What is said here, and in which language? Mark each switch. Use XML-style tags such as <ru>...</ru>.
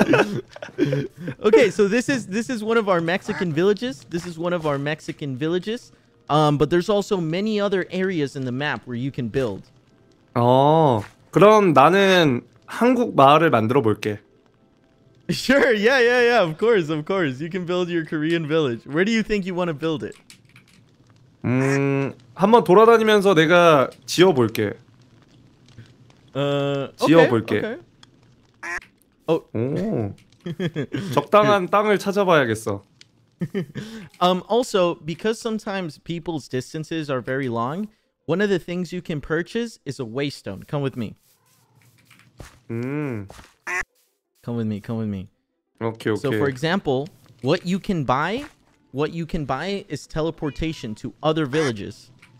<en>laughs> okay, so this is one of our Mexican villages. This is one of our Mexican villages. But there's also many other areas in the map where you can build.</en> <ko>Oh, 그럼 나는 한국 마을을 만들어 볼게.</ko> <en>Sure, yeah, yeah, yeah, of course, of course. You can build your Korean village. Where do you think you want to build it?</en> <ko>한번 돌아다니면서 내가 지어볼게. 지어볼게.</ko> <en>Okay, okay. Oh.</en> <ko>오, 적당한 땅을 찾아봐야겠어.</ko> <en>Also, because sometimes people's distances are very long, one of the things you can purchase is a waystone. Come with me. Come with me. Come with me. Okay. Okay. So, for example, what you can buy is teleportation to other villages.</en>